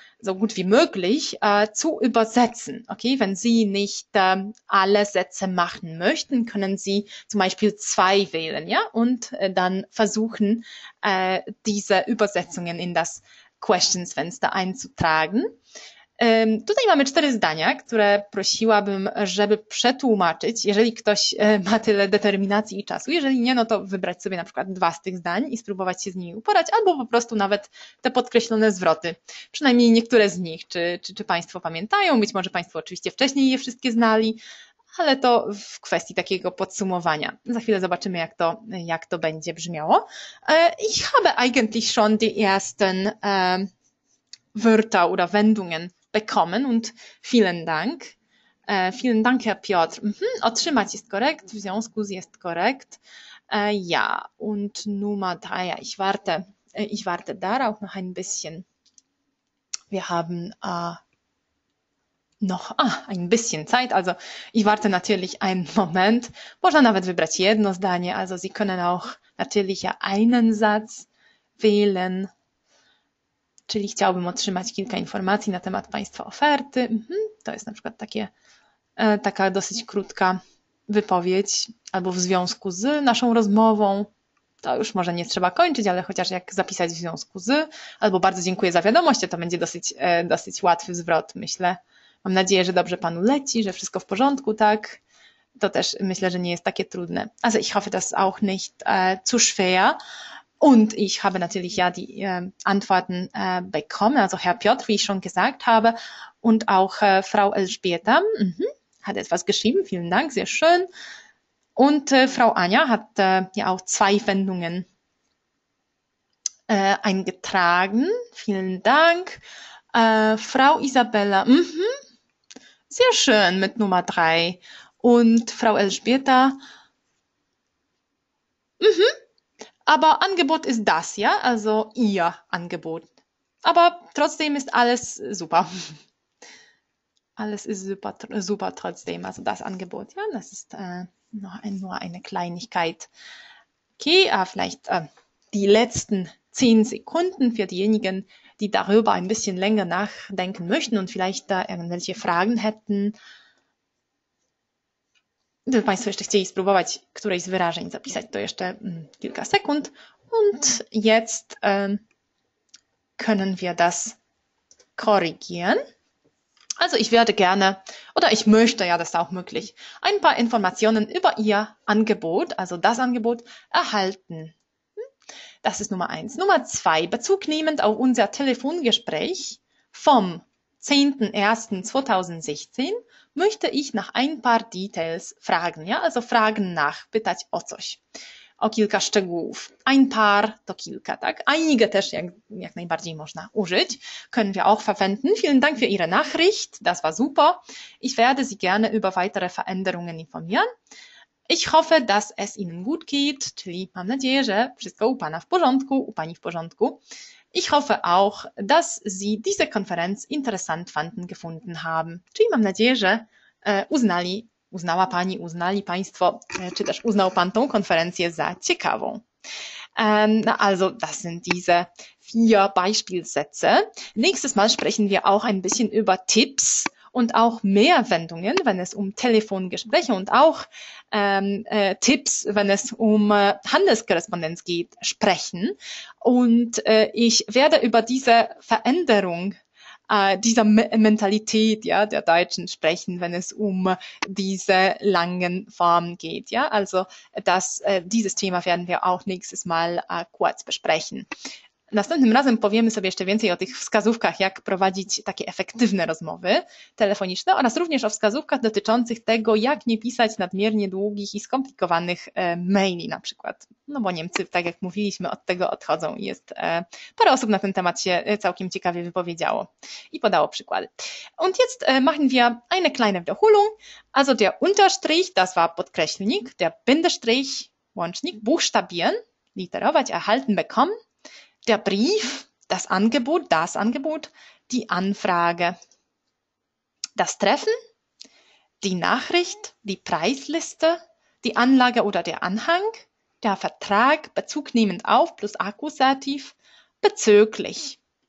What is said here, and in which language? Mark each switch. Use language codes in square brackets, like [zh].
[de] so gut wie möglich zu übersetzen. Okay, wenn Sie nicht alle Sätze machen möchten, können Sie zum Beispiel zwei wählen, ja, und dann versuchen, diese Übersetzungen in das Questions-Fenster einzutragen. [pl] Tutaj mamy cztery zdania, które prosiłabym, żeby przetłumaczyć, jeżeli ktoś ma tyle determinacji i czasu. Jeżeli nie, no to wybrać sobie na przykład dwa z tych zdań i spróbować się z nimi uporać, albo po prostu nawet te podkreślone zwroty. Przynajmniej niektóre z nich. Czy Państwo pamiętają? Być może Państwo oczywiście wcześniej je wszystkie znali, ale to w kwestii takiego podsumowania. Za chwilę zobaczymy, jak to będzie brzmiało. [de] Ich habe eigentlich schon die ersten Wörter oder Wendungen bekommen und vielen Dank. Vielen Dank, Herr Piotr. [pl] Otrzymać [de] ist korrekt, [pl] w związku z jest korrekt. [de] Ja, und Nummer 3. Ja, ich warte darauf noch ein bisschen. Wir haben ein bisschen Zeit. Also ich warte natürlich einen Moment. [pl] Można nawet wybrać jedno zdanie. [de] Also Sie können auch natürlich ja einen Satz wählen. [pl] Czyli chciałbym otrzymać kilka informacji na temat Państwa oferty. To jest na przykład taka dosyć krótka wypowiedź albo w związku z naszą rozmową. To już może nie trzeba kończyć, ale chociaż jak zapisać w związku z albo bardzo dziękuję za wiadomość, to będzie dosyć łatwy zwrot, myślę. Mam nadzieję, że dobrze Panu leci, że wszystko w porządku, tak? To też myślę, że nie jest takie trudne. [de] Also ich hoffe, das auch nicht zu schwer. Und ich habe natürlich ja die Antworten bekommen, also Herr Piotr, wie ich schon gesagt habe, und auch Frau Elspeta hat etwas geschrieben, vielen Dank, sehr schön. Und Frau Anja hat ja auch zwei Wendungen eingetragen, vielen Dank. Frau Isabella, sehr schön mit Nummer 3. Und Frau Elspeta, aber Angebot ist das, ja? Also Ihr Angebot. Aber trotzdem ist alles super. Alles ist super, super trotzdem. Also das Angebot, ja? Das ist nur eine Kleinigkeit. Okay, vielleicht die letzten 10 Sekunden für diejenigen, die darüber ein bisschen länger nachdenken möchten und vielleicht da irgendwelche Fragen hätten. [pl] Gdyby Państwo jeszcze chcieli spróbować któreś z wyrażeń zapisać, to jeszcze kilka sekund. [de] Und jetzt können wir das korrigieren. Also ich werde gerne, oder ich möchte, ja, das ist auch möglich, ein paar Informationen über Ihr Angebot, also das Angebot, erhalten. Das ist Nummer 1. Nummer 2, Bezug nehmend auf unser Telefongespräch vom 10.01.2016, möchte ich nach ein paar Details fragen, ja? Also fragen nach, [pl] pytać o coś, o kilka szczegółów. Ein paar to kilka, tak? Einige też jak najbardziej można użyć. [de] Können wir auch verwenden. Vielen Dank für Ihre Nachricht. Das war super. Ich werde Sie gerne über weitere Veränderungen informieren. Ich hoffe, dass es Ihnen gut geht. [pl] Czyli mam nadzieję, że wszystko u Pana w porządku, u Pani w porządku. [de] Ich hoffe auch, dass Sie diese Konferenz interessant fanden, gefunden haben. [pl] Czyli mam nadzieję, że uznali Państwo, czy też uznał Pan tą konferencję za ciekawą. [de] Also, das sind diese vier Beispielsätze. Nächstes Mal sprechen wir auch ein bisschen über Tipps und auch mehr Wendungen, wenn es um Telefongespräche und auch Tipps, wenn es um Handelskorrespondenz geht, sprechen. Und ich werde über diese Veränderung dieser Mentalität, ja, der Deutschen sprechen, wenn es um diese langen Formen geht, ja. Also dieses Thema werden wir auch nächstes Mal kurz besprechen. [pl] Następnym razem powiemy sobie jeszcze więcej o tych wskazówkach, jak prowadzić takie efektywne rozmowy telefoniczne oraz również o wskazówkach dotyczących tego, jak nie pisać nadmiernie długich i skomplikowanych maili na przykład. No bo Niemcy, tak jak mówiliśmy, od tego odchodzą i jest parę osób na ten temat się całkiem ciekawie wypowiedziało i podało przykłady. [de] Und jetzt machen wir eine kleine Wiederholung. Also der Unterstrich, das war podkreślnik, der Bindestrich, łącznik, buchstabieren, literować, erhalten, bekommen. Der Brief, das Angebot, die Anfrage, das Treffen, die Nachricht, die Preisliste, die Anlage oder der Anhang, der Vertrag, bezugnehmend auf plus Akkusativ, bezüglich.